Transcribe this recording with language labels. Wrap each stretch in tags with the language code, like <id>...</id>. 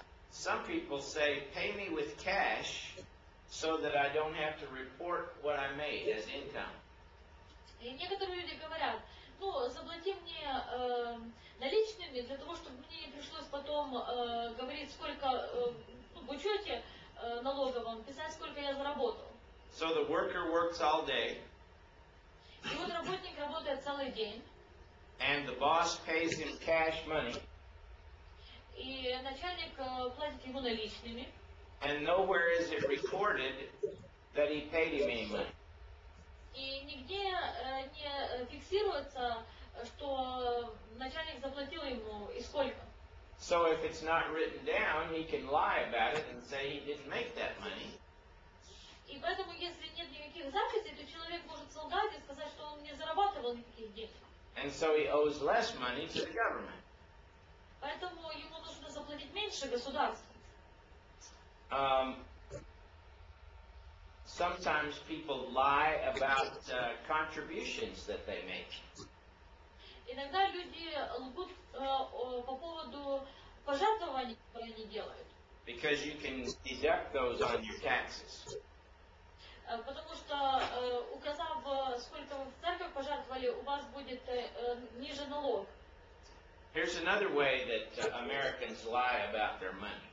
<en>Some people say, pay me with cash so that I don't have to report what I made as income.</en> <ru>И некоторые люди говорят, ну, заплати мне наличными для того, чтобы мне не пришлось потом говорить, сколько в учете налоговом, писать, сколько я заработал.</ru> <en>So the worker works all day.</en> <ru>И вот работник работает целый день.</ru> <en>And the boss pays him cash money.</en> <ru>И начальник платит ему наличными.</ru> <en>And nowhere is it recorded that he paid him any money.</en> <ru>И нигде не фиксируется, что начальник заплатил ему и сколько.</ru> <en>So if it's not written down, he can lie about it and say he didn't make that money.</en> <ru>И поэтому, если нет никаких записей, то человек может солгать и сказать, что он не зарабатывал никаких денег.</ru> <en>And so he owes less money to the government.</en> <ru>Поэтому ему нужно заплатить меньше государству.</ru> <en>Sometimes people lie about contributions that they make.</en> <ru>Иногда люди лгут по поводу пожертвований, которые они делают.</ru> <en>Because you can deduct those on your taxes.</en> <ru>Потому что указав сколько вы в церковь пожертвовали, у вас будет ниже налог.</ru> <en>Here's another way that Americans lie about their money.</en>